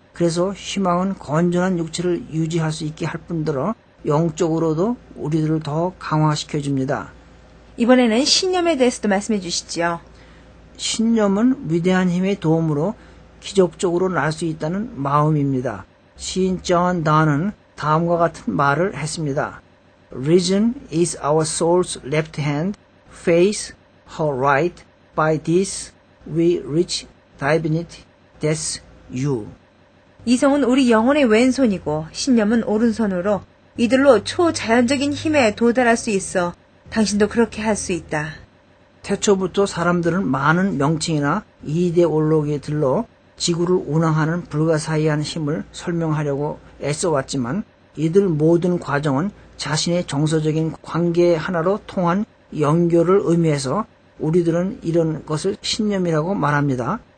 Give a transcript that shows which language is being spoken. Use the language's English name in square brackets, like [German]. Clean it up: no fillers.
[Korean] 그래서 희망은 건전한 육체를 유지할 수 있게 할 뿐더러 영적으로도 우리들을 더 강화시켜줍니다. 이번에는 신념에 대해서도 말씀해 주시지요. 신념은 위대한 힘의 도움으로 기적적으로 날 수 있다는 마음입니다. 시인 존 던은 다음과 같은 말을 했습니다. [English] Reason is our soul's left hand, faith her right. By this we reach divinity, that's you. [Korean] 이성은 우리 영혼의 왼손이고 신념은 오른손으로 이들로 초자연적인 힘에 도달할 수 있어 당신도 그렇게 할 수 있다. 태초부터 사람들은 많은 명칭이나 이데올로기에 들러 지구를 운항하는 불가사의한 힘을 설명하려고 애써왔지만 이들 모든 과정은 자신의 정서적인 관계 하나로 통한 연결을 의미해서 우리들은 이런 것을 신념이라고 말합니다.